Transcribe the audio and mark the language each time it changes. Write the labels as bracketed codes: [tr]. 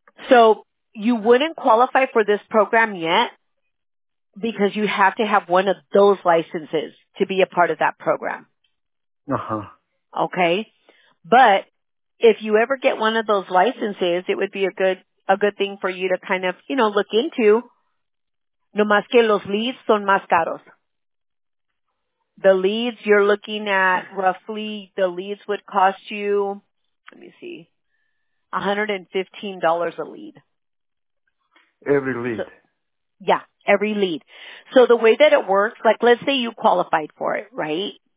[en] So you wouldn't qualify for this program yet because you have to have one of those licenses to be a part of that program. Okay. But if you ever get one of those licenses, it would be a good thing for you to kind of, you know, look into. [es] No más que los leads son más caros. [en] The leads you're looking at, roughly the leads would cost you, let me see, $115 a lead. Every lead. So, yeah, every lead. So the way that it works, like let's say you qualified for it, right?